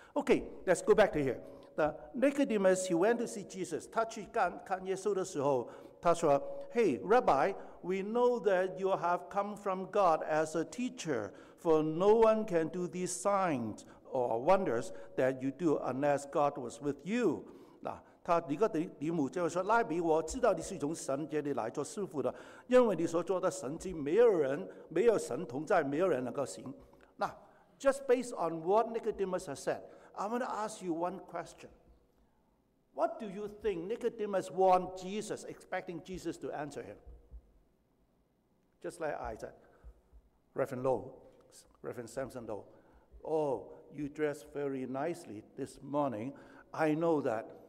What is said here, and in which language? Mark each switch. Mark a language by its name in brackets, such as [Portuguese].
[English] Okay, let's go back to here. The Nicodemus, he went to see Jesus. [Chinese] 他去看耶稣的时候，他说 [English] Hey, Rabbi, we know that you have come from God as a teacher, for no one can do these signs or wonders that you do unless God was with you. [Chinese] 他一个嫡母就说：“拉比，我知道你是从神这里来做师傅的，因为你所做的神迹，没有人没有神同在，没有人能够行。” [English] 那 just based on what Nicodemus has said, I want to ask you one question. What do you think Nicodemus want Jesus, expecting Jesus to answer him? Just like I said, Reverend Low, Reverend Samson Low, oh, you dress very nicely this morning. I know that.